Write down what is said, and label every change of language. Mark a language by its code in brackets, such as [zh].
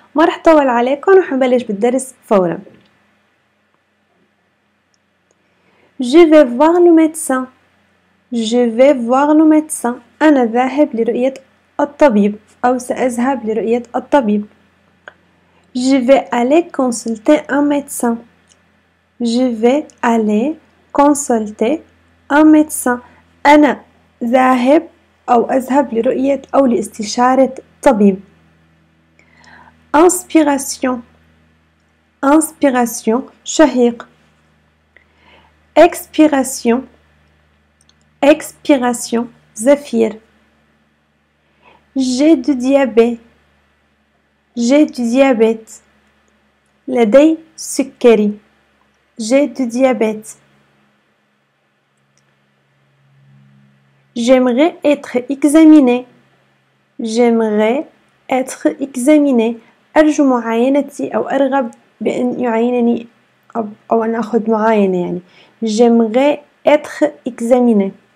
[ar] ما رح طول عليكم وحنبلش بالدرس فورا. [fr] Je vais voir le médecin. Je vais voir le médecin. [ar] انا ذاهب لرؤيه الطبيب أو سأذهب لرؤية الطبيب. [fr] Je vais aller consulter un médecin. Je vais aller consulter un médecin. [ar] أنا ذاهب أو أذهب لرؤية أو لاستشارة طبيب. [fr] Inspiration. Inspiration. [ar] شهيق. [fr] Expiration. Expiration. [ar] زفير. [fr] J'ai du diabète. J'ai du diabète. [ar] لدي سكري. [fr] J'ai du diabète. J'aimerais être examiné. J'aimerais être examiné. [ar] أرجو معاينتي أو أرغب بأن يعينني أو أن أخذ معاينة يعني. [fr] J'aimerais être examiné.